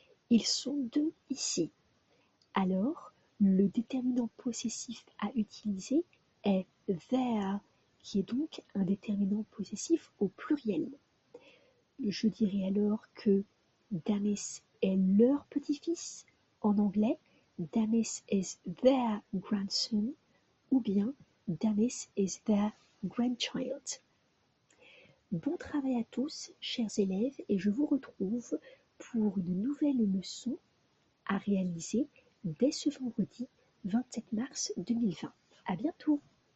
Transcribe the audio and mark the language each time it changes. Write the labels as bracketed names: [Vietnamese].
[French] Ils sont deux ici. Alors, le déterminant possessif à utiliser est their, qui est donc un déterminant possessif au pluriel. Je dirais alors que Dennis est leur petit-fils. En anglais, [English] Dennis is their grandson, [French] ou bien [English] Dennis is their grandchild. [French] Bon travail à tous, chers élèves, et je vous retrouve pour une nouvelle leçon à réaliser dès ce vendredi 27 mars 2020. À bientôt !